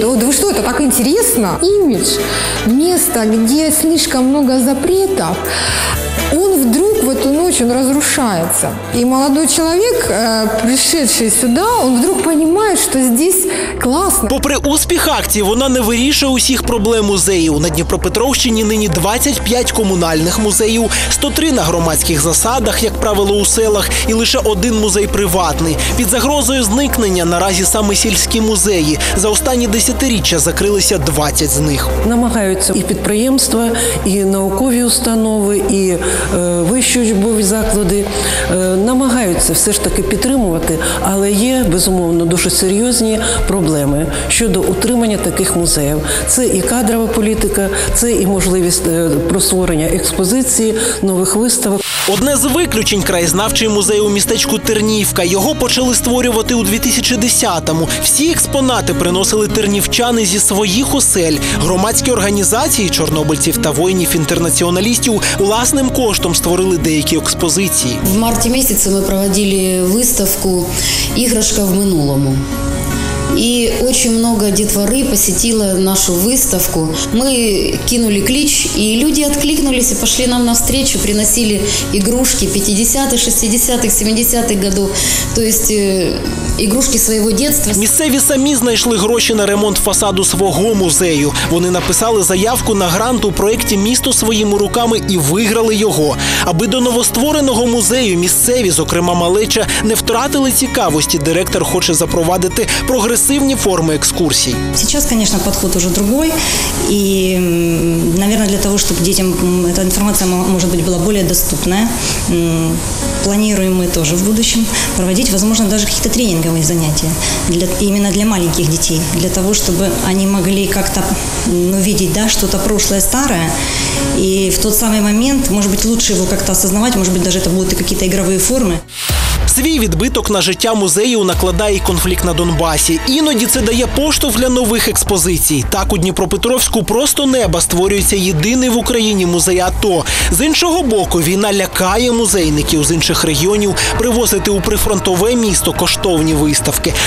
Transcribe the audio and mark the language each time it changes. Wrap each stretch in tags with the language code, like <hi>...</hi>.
<ru>Да, да вы что, это так интересно? Имидж, место, где слишком много запретов, он вдруг в эту ночь он разрушается. И молодой человек, пришедший сюда, он вдруг понимает, что здесь класно.</ru> <uk>Попри успіх акції, вона не вирішує усіх проблем музеїв. На Дніпропетровщині нині 25 комунальних музеїв, 103 на громадських засадах, як правило, у селах, і лише один музей приватний. Під загрозою зникнення наразі саме сільські музеї. За останні десятиріччя закрилися 20 з них. Намагаються і підприємства, і наукові установи, і вищі учбові заклади. Намагаються все ж таки підтримувати, але є, безумовно, дуже серйозні проблеми щодо утримання таких музеїв. Це і кадрова політика, це і можливість створення експозиції, нових виставок. Одне з виключень – краєзнавчий музей у містечку Тернівка. Його почали створювати у 2010-му. Всі експонати приносили тернівчани зі своїх осель. Громадські організації чорнобильців та воїнів-інтернаціоналістів власним коштом створили деякі експозиції. В марті місяці ми проводили виставку «Іграшка в минулому».</uk> <ru>И очень много детворы посетило нашу выставку. Мы кинули клич, и люди откликнулись и пошли нам навстречу, приносили игрушки 50-х, 60-х, 70-х годов. То есть игрушки своего детства.</ru> <uk>Місцеві самі знайшли гроші на ремонт фасаду свого музею. Вони написали заявку на грант у проєкті «Місто своїми руками» і виграли його. Аби до новоствореного музею місцеві, зокрема малеча, не втратили цікавості, директор хоче запровадити прогресивність. Сивні форми екскурсій.</uk> <ru>Сейчас, конечно, подход уже другой, и, наверное, для того, чтобы детям эта информация, может быть, была более доступная, планируем мы тоже в будущем проводить, возможно, даже какие-то тренинговые занятия для, именно для маленьких детей, для того, чтобы они могли как-то увидеть, да, что-то прошлое, старое, и в тот самый момент, может быть, лучше его как-то осознавать, может быть, даже это будут какие-то игровые формы.</ru> <uk>Свій відбиток на життя музею накладає і конфлікт на Донбасі. Іноді це дає поштовх для нових експозицій. Так у Дніпропетровську просто неба створюється єдиний в Україні музей АТО. З іншого боку, війна лякає музейників з інших регіонів привозити у прифронтове місто коштовні виставки.</uk>